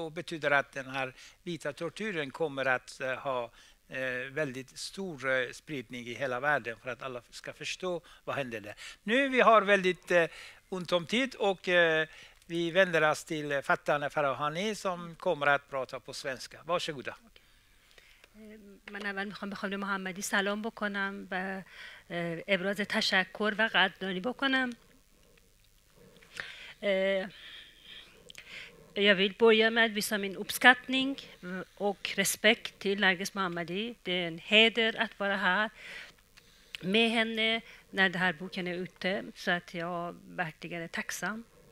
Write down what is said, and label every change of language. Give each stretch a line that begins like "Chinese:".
Swedish: Då betyder att den här vita tortyren kommer att ha väldigt stor spridning i hela världen för att alla ska förstå vad hände där. Nu vi har väldigt ont om tid och vi vänder oss till Fattane Farahani som kommer att prata på svenska. Varsågoda.
Persian: من اول میخوام به خانم محمدی سلام بکنم و ابراز تشکر و قدردانی بکنم.
Swedish: Jag vill börja med att visa min uppskattning och respekt till Narges Mohammadi. Det är en heder att vara här med henne när den här boken är ute, så att jag verkligen är tacksam.